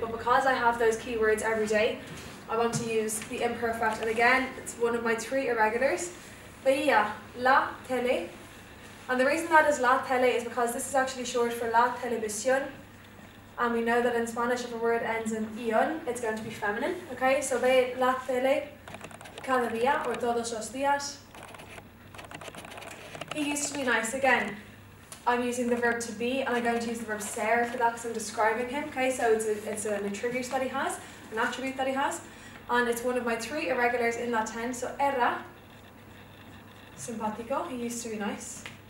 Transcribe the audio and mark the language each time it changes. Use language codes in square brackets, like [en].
[en] But because I have those keywords every day, I want to use the imperfect. And again, it's one of my three irregulars. [es] Veía la tele. [en] And the reason that is [es] la tele [en] is because this is actually short for [es] la televisión. [en] And we know that in Spanish, if a word ends in ión, it's going to be feminine, okay? [es] So veía la tele cada día, or todos los días. [en] He used to be nice. Again, I'm using the verb to be, and I'm going to use the verb ser for that because I'm describing him. Okay, so it's an attribute that he has, an attribute that he has, and it's one of my three irregulars in that tense. So [es] era simpático, [en] he used to be nice.